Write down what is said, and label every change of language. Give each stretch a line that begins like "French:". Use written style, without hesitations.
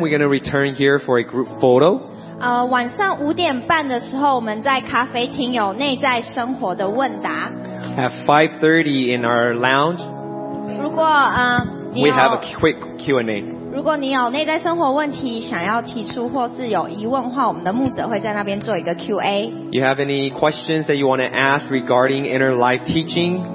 English: we're going to return here for a group photo.
Chinese: 晚上5:30的时候，我们在咖啡厅有内在生活的问答。
English: At 5:30 in our lounge.
Chinese: 如果
English: We have a quick Q&A.
Chinese: 如果你有内在生活问题想要提出或是有疑问的话，我们的牧者会在那边做一个 QA.
English: You have any questions that you want to ask regarding inner life teaching?